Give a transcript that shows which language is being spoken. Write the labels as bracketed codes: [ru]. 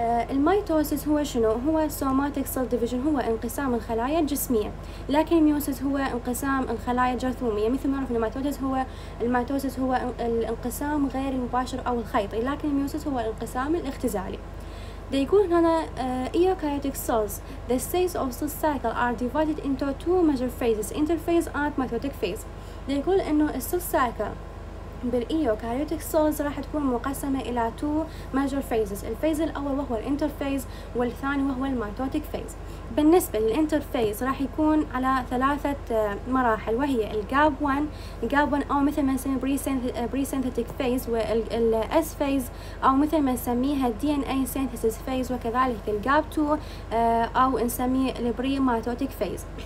[ar] الميتوسيس هو شنو؟ هو سوماتيك سيل ديفيجن، هو انقسام الخلايا الجسميه. لكن الميوسيس هو انقسام الخلايا الجرثوميه. مثل ما نعرف ان الميتوسيس هو الانقسام غير المباشر او الخيطي، لكن الميوسيس هو الانقسام الاختزالي. دي يكون هنا [en] eukaryotic cells. The cells of the cycle are divided into two major phases, interphase and mitotic phase. [ar] دي يقول انه السيل سايكل بالإيوكاريوتيك سولز راح تكون مقسمة إلى [en] two major phases. [ar] الفيز الأول وهو الانترفيز، والثاني وهو الميتوتيك فيز. بالنسبة للانترفيز راح يكون على ثلاثة مراحل، وهي الجاب 1، الجاب 1 أو مثل ما نسميه بريسينثيتيك فيز، والاس فيز أو مثل ما نسميها دي ان اي سينثيسيس فيز، وكذلك الجاب 2 أو نسميه البري ميتوتيك فيز.